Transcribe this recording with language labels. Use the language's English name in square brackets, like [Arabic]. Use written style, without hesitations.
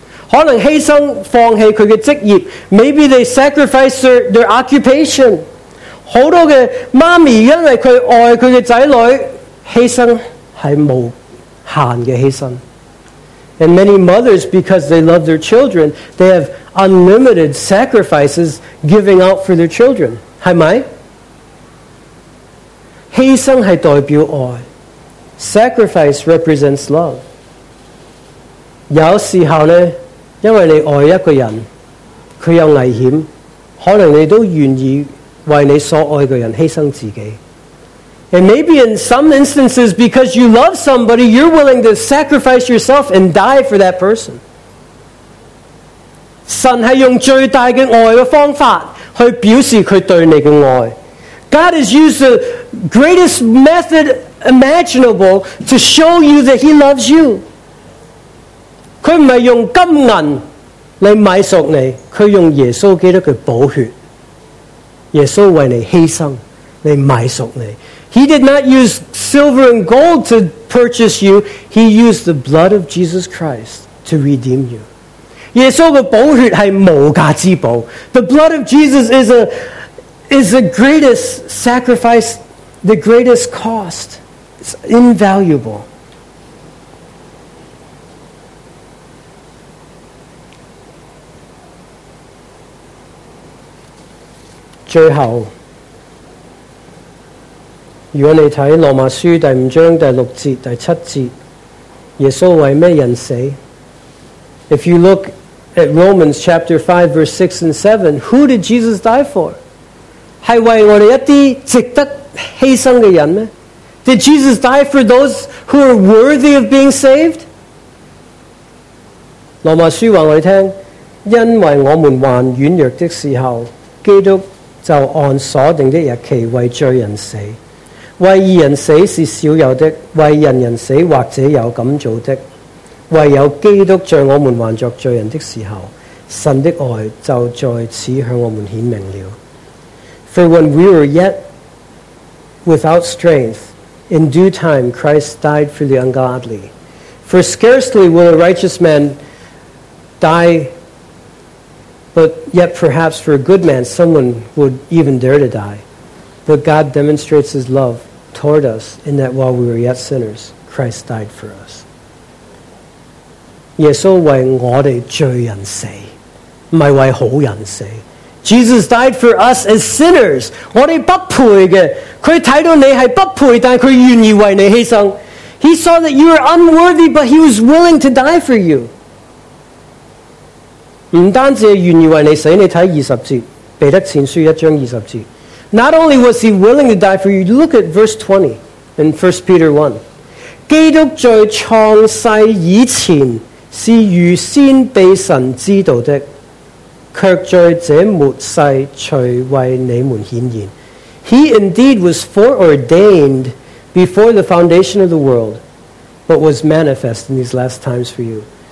[Cantonese] 可能牺牲放弃佢嘅职业。 [English] Maybe they sacrifice their occupation. [Cantonese] 好多嘅妈咪因为佢爱佢嘅仔女，牺牲系无限嘅牺牲。 [English] And many mothers, because they love their children, they have unlimited sacrifices giving out for their children. 是不是？ [Cantonese] 牺牲是代表爱。 [English] Sacrifice represents love. [Cantonese] 有时候呢，因为你爱一个人，他有危险，可能你都愿意为你所爱的人牺牲自己。 [English] And maybe in some instances, because you love somebody, you're willing to sacrifice yourself and die for that person. [Cantonese] 神是用最大的爱的方法去表示他对你的爱。 [English] God has used the greatest method imaginable to show you that he loves you. [Cantonese] 他不是用金银来买赎你，他用耶稣基督的宝血，耶稣为你牺牲来买赎你。 [English] He did not use silver and gold to purchase you. He used the blood of Jesus Christ to redeem you. [Cantonese] 耶稣的宝血是无价之宝。 [English] The blood of Jesus is the greatest sacrifice, the greatest cost. It's invaluable. [Cantonese] 最后，如果你看罗马书第五章第六节第七节，耶稣为什么人死？ [English] If you look at Romans chapter 5 verse 6 and 7, who did Jesus die for? [Cantonese] 是为我们一些值得牺牲的人吗？ [English] Did Jesus die for those who are worthy of being saved? [Cantonese] 罗马书告诉我们，因为我们还软弱的时候，基督就按所定的日期为罪人死。为义人死是少有的，为人人死或者有敢做的，唯有基督在我们还作罪人的时候，神的爱就在此向我们显明了。 [English] For when we were yet without strength, in due time Christ died for the ungodly. For scarcely will a righteous man die, but yet perhaps for a good man someone would even dare to die. But God demonstrates his love toward us in that while we were yet sinners, Christ died for us. [Cantonese] 耶稣为我们罪人死，不是为好人死。 [English] Jesus died for us as sinners. [Cantonese] 我们不配的，他看到你是不配，但他愿意为你牺牲。 [English] He saw that you were unworthy, but he was willing to die for you. [Cantonese] 不单只愿意为你死，你看二十节，彼得前书一章二十节。 [English] Not only was he willing to die for you, look at verse 20 in 1 Peter 1. [Cantonese] 基督在创世以前是预先被神知道的，却在这末世才为你们显现。 [English] He indeed was foreordained before the foundation of the world, but was manifest in these last times for you.